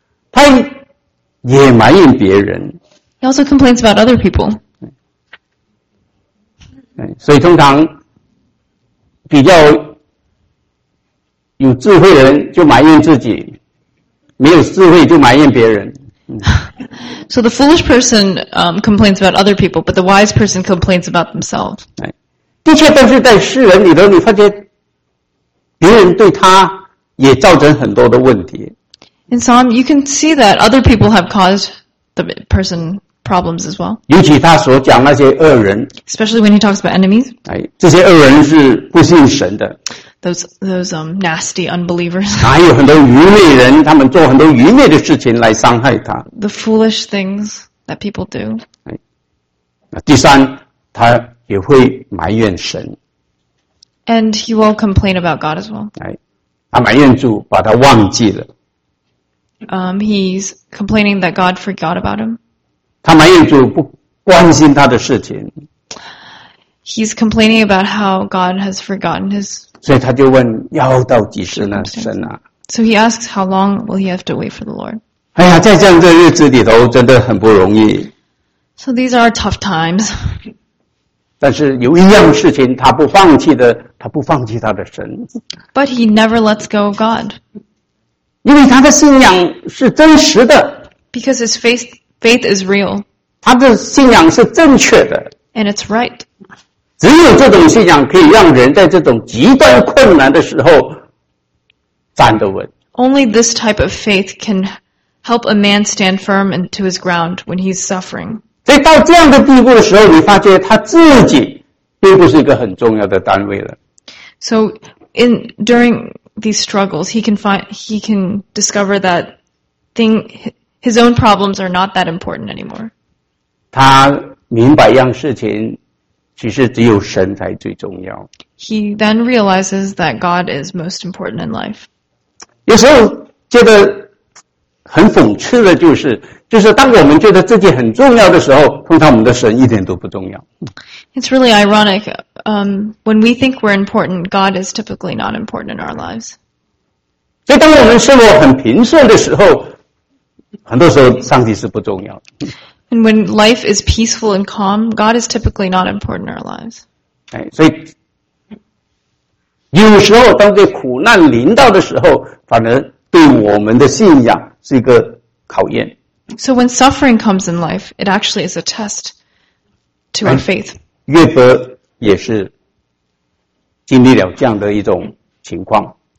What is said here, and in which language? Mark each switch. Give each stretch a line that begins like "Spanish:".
Chinese: 他也埋怨别人。
English: He also complains about other people.
Chinese: 所以通常比较有智慧的人就埋怨自己，没有智慧就埋怨别人。
English: So the foolish person complains about other people, but the wise person complains about themselves.
Chinese: 的确，但是在世人里头，你发觉别人对他也造成很多的问题。
English: In Psalm, you can see that other people have caused the person problems as well.
Chinese: 尤其他所讲那些恶人。
English: Especially when he talks about enemies.
Chinese: 这些恶人是不信神的。
English: Those nasty unbelievers.
Chinese: 还有很多愚昧人，他们做很多愚昧的事情来伤害他。
English: The foolish things that people do.
Chinese: 第三，他也会埋怨神。
English: And he will complain about God as well.
Chinese: 他埋怨主，把他忘记了。
English: He's complaining that God forgot about him.
Chinese: 他埋怨主不关心他的事情。
English: He's complaining about how God has forgotten his.
Chinese: 所以他就问要到几时呢，神啊
English: ？So he asks, how long will he have to wait for the Lord?
Chinese: 哎呀，在这样的日子里头，真的很不容易。
English: So these are tough times.
Chinese: 但是有一样事情，他不放弃的，他不放弃他的神。
English: But he never lets go of God.
Chinese: 因为他的信仰是真实的
English: Because his faith is real
Chinese: 他的信仰是正确的
English: And it's right
Chinese: 只有这种信仰可以让人在这种极端困难的时候站得稳
English: Only this type of faith can help a man stand firm into his ground when he's suffering
Chinese: 所以到这样的地步的时候你发觉他自己并不是一个很重要的单位了
English: So during these struggles, he can discover that his own problems are not that important anymore.
Chinese: 他明白一样事情，其实只有神才最重要。
English: He then realizes that God is most important in life.
Chinese: 有时候觉得很讽刺的就是当我们觉得自己很重要的时候，通常我们的神一点都不重要。
English: It's really ironic. When we think we're important, God is typically not important in our lives.
Chinese: 所以当我们生活很平顺的时候，很多时候上帝是不重要的。
English: And when life is peaceful and calm, God is typically not important in our lives.
Chinese: 所以有时候当这苦难临到的时候，反而对我们的信仰是一个考验。
English: So when suffering comes in life, it actually is a test to our faith.
Chinese: 约伯也是经历了这样的一种情况。